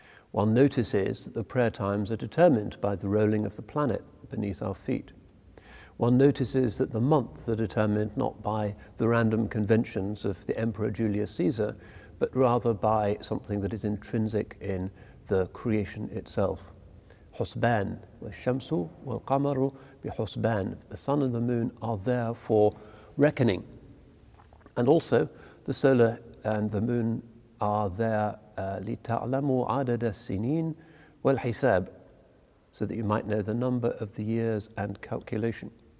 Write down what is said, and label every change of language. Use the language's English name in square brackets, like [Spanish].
[English] One notices that the prayer times are determined by the rolling of the planet beneath our feet. One notices that the months are determined not by the random conventions of the Emperor Julius Caesar, but rather by something that is intrinsic in the creation itself. [Arabic] Husban, وَالشَّمْسُ وَالْقَمَرُ بِحُسْبَانِ. [English] The sun and the moon are there for reckoning. And also, the solar and the moon are there [Arabic] لِتَعْلَمُوا عَدَدَ السِّنِينَ وَالْحِسَابِ, [English] so that you might know the number of the years and calculation.